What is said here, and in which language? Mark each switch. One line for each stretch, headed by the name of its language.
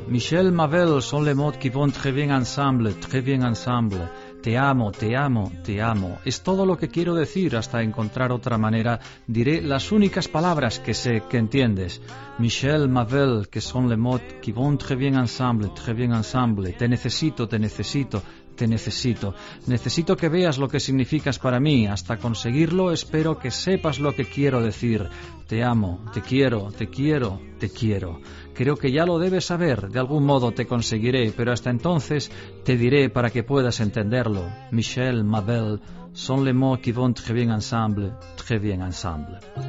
French: Michelle, Mabel, son les mots qui vont très bien ensemble,
Spanish: te amo, te amo, te amo. Es todo lo que quiero decir, hasta encontrar otra manera, diré las únicas palabras que sé que entiendes.
French: Michelle, Mabel, que son les mots qui vont très bien ensemble,
Spanish: te necesito, te necesito, te necesito. Necesito que veas lo que significas para mí. Hasta conseguirlo, espero que sepas lo que quiero decir. Te amo, te quiero, te quiero, te quiero. Creo que ya lo debes saber. De algún modo te conseguiré, pero hasta entonces te diré para que puedas entenderlo.
French: Michel, ma belle, son les mots qui vont très bien ensemble, très bien ensemble.